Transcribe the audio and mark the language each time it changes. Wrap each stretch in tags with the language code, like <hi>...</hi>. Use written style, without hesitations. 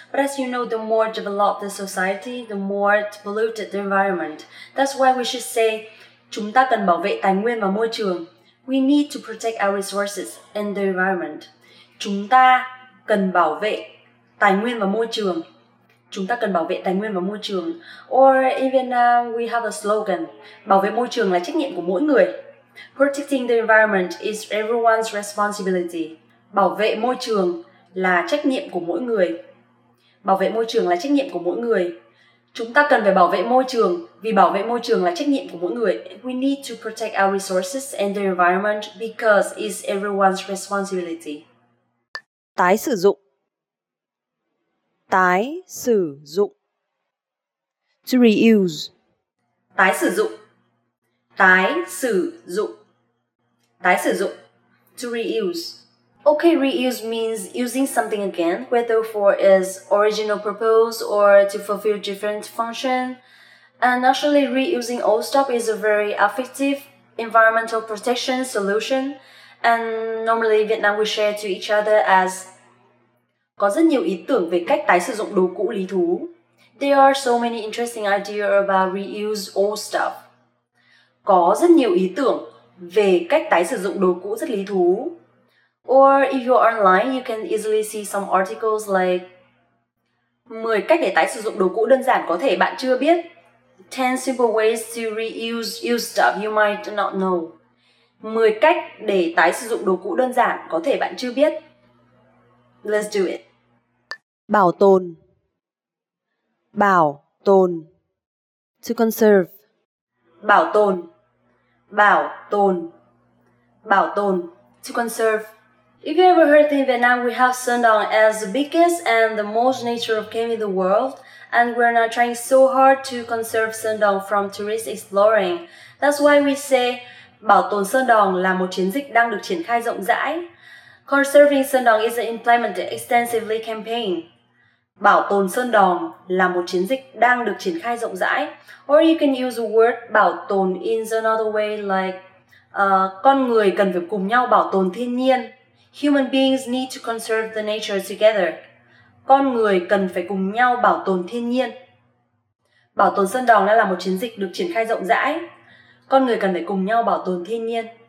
<en>But as you know, the more developed the society, the more polluted the environment. That's why we should say,</en> <vi>chúng ta cần bảo vệ tài nguyên và môi trường.</vi> <en>We need to protect our resources and the environment.</en> <vi>Chúng ta cần bảo vệ tài nguyên và môi trường. Chúng ta cần bảo vệ tài nguyên và môi trường.</vi> <en>Or in Vietnam, we have a slogan.</en> <vi>Bảo vệ môi trường là trách nhiệm của mỗi người.</vi> <en>Protecting the environment is everyone's responsibility.</en> <vi>Bảo vệ môi trường là trách nhiệm của mỗi người. Bảo vệ môi trường là trách nhiệm của mỗi người. Chúng ta cần phải bảo vệ môi trường vì bảo vệ môi trường là trách nhiệm của mỗi người.</vi> <en>We need to protect our resources and the environment because it's everyone's responsibility.</en> <vi>Tái sử dụng. Tái sử dụng.</vi> <en>To reuse.</en> <vi>Tái sử dụng. Tái sử dụng. Tái sử dụng.</vi> <en>To reuse. Okay, reuse means using something again, whether for its original purpose or to fulfill different function. And actually, reusing old stuff is a very effective environmental protection solution. And normally, Vietnam we share to each other as</en> <vi>có rất nhiều ý tưởng về cách tái sử dụng đồ cũ lý thú.</vi> <en>There are so many interesting ideas about reuse old stuff.</en> <vi>Có rất nhiều ý tưởng về cách tái sử dụng đồ cũ rất lý thú.</vi> <en>Or if you're online, you can easily see some articles like</en> <vi>10 cách để tái sử dụng đồ cũ đơn giản có thể bạn chưa biết.</vi> <en>10 simple ways to reuse used stuff you might not know.</en> <vi>10 cách để tái sử dụng đồ cũ đơn giản có thể bạn chưa biết.</vi> <en>Let's do it.</en> <vi>Bảo tồn. Bảo tồn.</vi> <en>To conserve.</en> <vi>Bảo tồn. Bảo tồn. Bảo tồn.</vi> <en>To conserve. If you ever heard in Vietnam, we have Sơn Đòn as the biggest and the most natural cave in the world, and we're now trying so hard to conserve Sơn Đòn from tourist exploring. That's why we say</en> <vi>bảo tồn Sơn Đòn là một chiến dịch đang được triển khai rộng rãi.</vi> <en>Conserving Sơn Đòn is an implemented extensively campaign.</en> <vi>Bảo tồn Sơn Đòn là một chiến dịch đang được triển khai rộng rãi.</vi> <en>Or you can use the word bảo tồn in another way, like</en> <vi>con người cần phải cùng nhau bảo tồn thiên nhiên.</vi> <en>Human beings need to conserve the nature together.</en> <vi>Con người cần phải cùng nhau bảo tồn thiên nhiên. Bảo tồn Sơn Đòn đã là một chiến dịch được triển khai rộng rãi. Con người cần phải cùng nhau bảo tồn thiên nhiên.</vi>